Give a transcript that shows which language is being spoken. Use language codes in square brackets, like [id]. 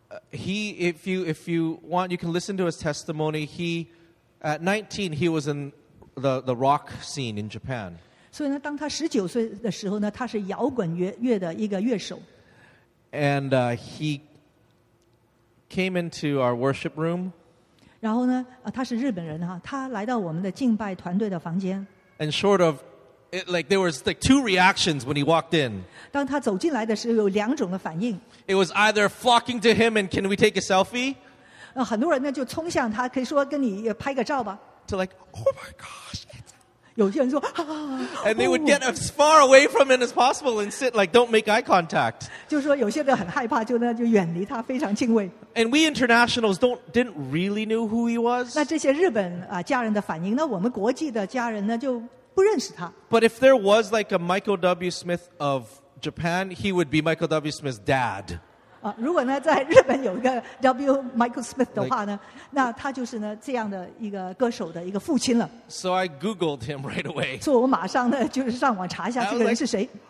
[en] If you want, you can listen to his testimony. He, at 19, he was in the rock scene in Japan. [zh] 所以呢,当他19岁的时候呢,他是摇滚乐的一个乐手。 [en] And he came into our worship room. [zh] 然后呢, 他是日本人啊, 他来到我们的敬拜团队的房间。 [en] And short of, it, like there was like two reactions when he walked in. [zh] 当他走进来的时候, 有两种的反应。 [en] It was either flocking to him and can we take a selfie? [zh] 很多人呢, 就冲向他, 可以说, 跟你拍个照吧。 [en] To like, oh my gosh. [zh] 有些人说, [en] and they would get as far away from him as possible and sit like, don't make eye contact. [zh] 就说有些人很害怕, 就呢, 就远离他, 非常敬畏。 [en] And we internationals didn't really know who he was. [zh] 那这些日本, 家人的反应, 那我们国际的家人呢, 就不认识他。 [en] But if there was like a Michael W. Smith of Japan, he would be Michael W. Smith's dad. [zh] 如果呢, 在日本有一个 W. Michael Smith的话呢, [en] like, [zh] 那他就是呢, 这样的一个歌手的一个父亲了。 [en] So I Googled him right away. [zh] 所以我马上呢, 就是上网查一下这个人是谁。